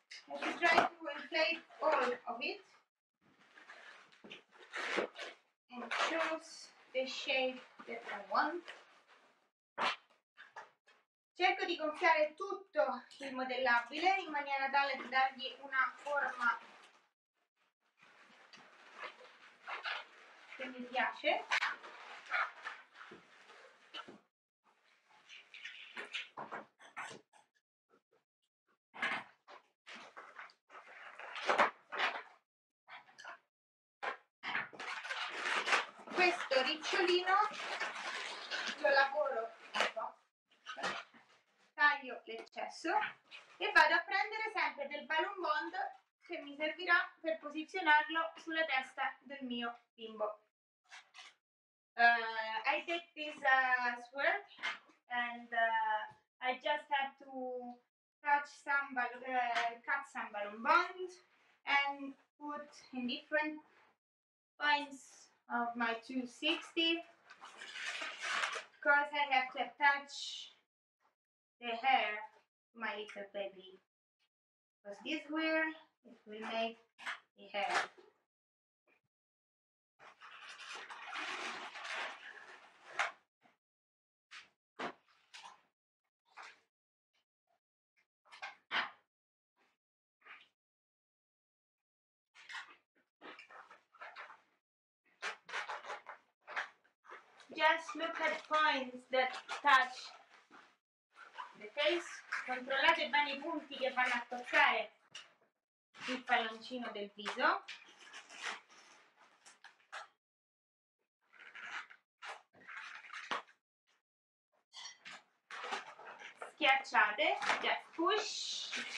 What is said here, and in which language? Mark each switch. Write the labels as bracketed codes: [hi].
[en] All of it and choose the shape that I want. [it] Cerco di gonfiare tutto il modellabile in maniera tale da dargli una forma che mi piace. Questo ricciolino lo lavoro un po', taglio l'eccesso e vado a prendere sempre del balloon bond che mi servirà per posizionarlo sulla testa del mio bimbo. [en] I take this swirl and I just have to touch some cut some balloon bond and put in different points of my 260, because I have to attach the hair to my little baby. Because this way, it will make the hair. Just look at points that touch the face. [it] Controllate bene i punti che vanno a toccare il palloncino del viso. Schiacciate, [en] just push.